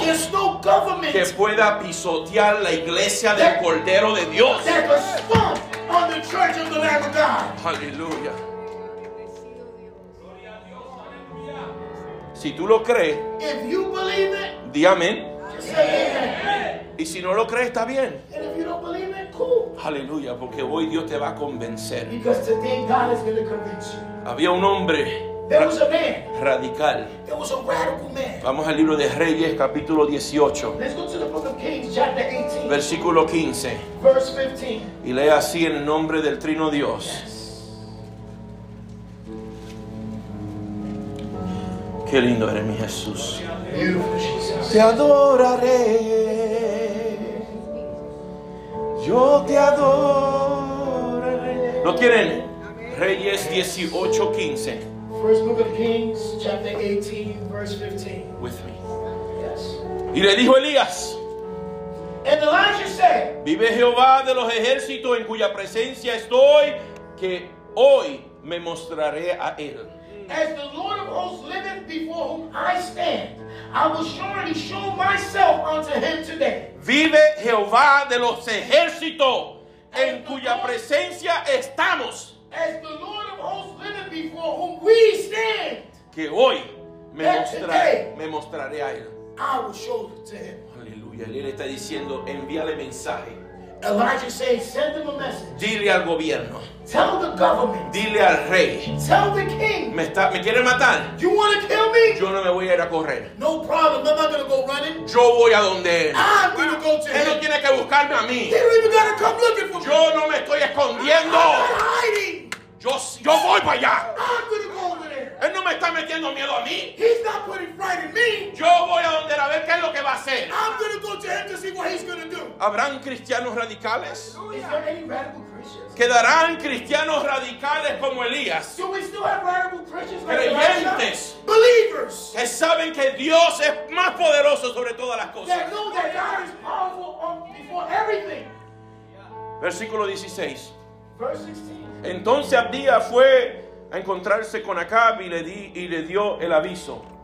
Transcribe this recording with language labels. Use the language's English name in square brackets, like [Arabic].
[English] There's no government. [Spanish] Que pueda pisotear la iglesia del Cordero de Dios. [English] That could stomp on the church of the Lamb of God. Hallelujah. [Spanish] Si tú lo crees. [English] If you believe it. [Spanish] Di amén. [English] Say amen. [Spanish] Y si no lo crees, está bien. [English] And if you don't believe it, cool. [Spanish] Aleluya, porque hoy Dios te va a convencer. [English] Because today God is going to convince you. [Spanish] Había un hombre. [English] There was a man. [Spanish] Radical. [English] There was a radical man. [Spanish] Vamos al libro de Reyes, capítulo 18. [English] Let's go to the book of Kings, chapter 18. [Spanish] Versículo 15. [English] Verse 15. [Spanish] Y lee así en el nombre del Trino Dios. [English] Yes. [Spanish] Qué lindo eres, mi Jesús. [English] Beautiful Jesus. [Spanish] Te adoraré. Yo te adoro. ¿Lo tienen? Reyes 18, 15. [English] First book of Kings, chapter 18, verse 15. With me. Yes. [Spanish] Y le dijo Elías. [English] And Elijah said. [Spanish] Vive Jehová de los ejércitos en cuya presencia estoy, que hoy me mostraré a él. [English] As the Lord of hosts liveth, before whom I stand, I will surely show myself unto him today. [Spanish] Vive Jehová de los ejércitos, en cuya presencia estamos. [English] As the Lord of hosts liveth, before whom we stand. [Spanish] Que hoy me mostraré a él. [English] I will show it to him. [Spanish] Aleluya. Él está diciendo, envíale mensaje. [English] Elijah says, send him a message. [Spanish] Dile al gobierno. [English] Tell the government. [Spanish] Dile al rey. [English] Tell the king. [Spanish] Me quieren matar. [English] You want to kill me? [Spanish] Yo no me voy a ir a correr. [English] No problem. I'm not going to go running. [Spanish] Yo voy a donde él. [English] I'm going to go to [Spanish] él. Él no tiene que buscarme a mí. [English] He don't even got to come looking for me. [Spanish] Yo no me estoy escondiendo. [English] I'm not hiding. [Spanish] Yo voy para allá. [English] I'm going to go over there. [Spanish] Él no me está metiendo miedo a mí. [English] He's not putting fright in me. [Spanish] Yo voy a donde él a ver qué es lo que va a hacer. [English] I'm going to go to him to see what he's going to do. [Spanish] ¿Habrán cristianos radicales? [English] Is there any radical Christians? [Spanish] ¿Quedarán cristianos radicales como Elías? [English] Do we still have radical Christians like [Spanish] creyentes? [English] Elijah? Believers. [Spanish] Que saben que Dios es más poderoso sobre todas las cosas. [English] That know that God is powerful before everything. [Spanish] Versículo 16. [English] Verse 16. [Spanish] Entonces Abdías fue a encontrarse con Acab y le dio el aviso.